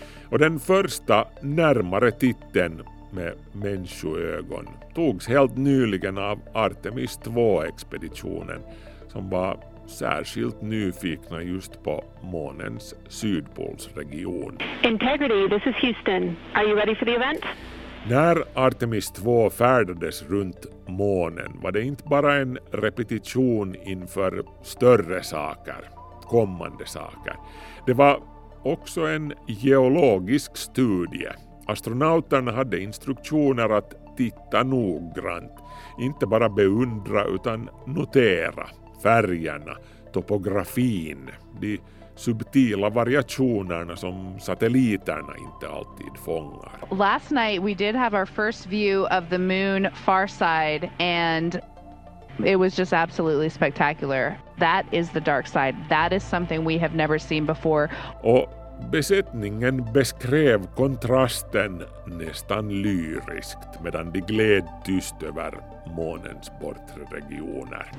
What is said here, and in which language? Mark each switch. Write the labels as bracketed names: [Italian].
[Swedish] Och den första närmare titeln med människoögon togs helt nyligen av Artemis 2-expeditionen som var särskilt nyfikna just på månens sydpolsregion. [English] Integrity, this is Houston. Are you ready for the event? [Swedish] När Artemis 2 färdades runt månen var det inte bara en repetition inför större saker, kommande saker. Det var också en geologisk studie. Astronauterna hade instruktioner att titta noggrant, inte bara beundra utan notera färgerna, topografin, de subtila variationerna som satelliterna inte alltid fångar. [English] Last night we did have our first view of the moon far side and it was just absolutely spectacular. That is the dark side. That is something we have never seen before. [Swedish] Och besättningen beskrev kontrasten nästan lyriskt medan de gled tyst över månens bortre regioner.